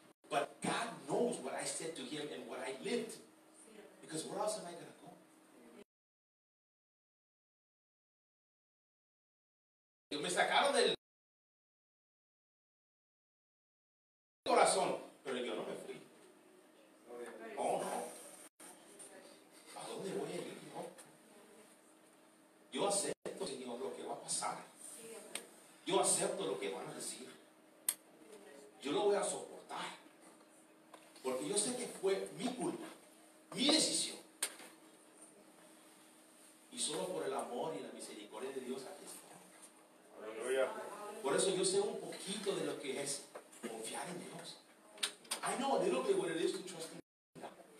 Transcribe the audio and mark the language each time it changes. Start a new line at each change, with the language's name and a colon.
English: But God knows what I said to him and what I lived. Because where else am I going to go?
Spanish: Me sacaron del corazón, pero yo no me fui. Oh, no. ¿A dónde voy a ir yo? Yo acepto, Señor, lo que va a pasar. Yo acepto lo que van a decir. Yo lo voy a soportar. Porque yo sé que fue mi culpa, mi decisión. Y solo por el amor y la misericordia de Dios aquí está. Aleluya. Por eso yo sé un poquito de lo que es confiar en Dios.
English: I know a little bit what it is to trust in God.